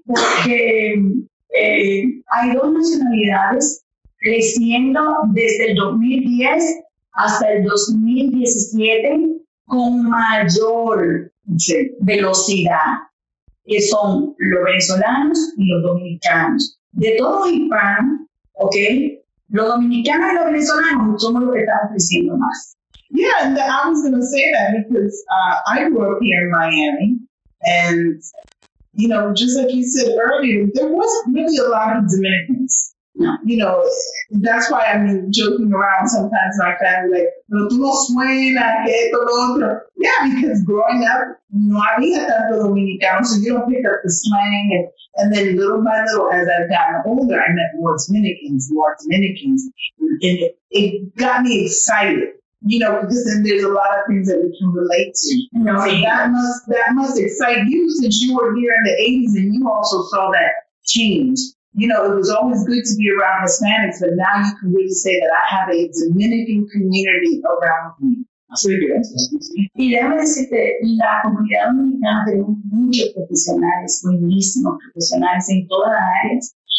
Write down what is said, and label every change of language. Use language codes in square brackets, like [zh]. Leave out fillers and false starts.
[es] Porque hay dos nacionalidades creciendo desde el 2010 hasta el 2017 con mayor velocidad, que son los venezolanos y los dominicanos. De todos los hispanos, ¿ok? Los dominicanos y los venezolanos somos los que están creciendo más. [en] Yeah, and I was going to say that because I grew up here in Miami, and you know, just like you said earlier, there wasn't really a lot of Dominicans. No. You know, that's why I'm joking around sometimes my family, like, [es] no, tú no suenas, que esto, lo otro. [en] Yeah, because growing up, [es] no había tanto dominicano, [en] so you don't pick up the slang. And then little by little, as I've gotten older, I met more Dominicans. And it got me excited. You know, because then there's a lot of things that we can relate to. You know, so that must excite you since you were here in the 80s and you also saw that change. You know, it was always good to be around Hispanics, but now you can really say that I have a Dominican community around me. [es] Y déjame decirte, la comunidad dominicana tenemos muchos profesionales, buenísimos profesionales en todas las áreas.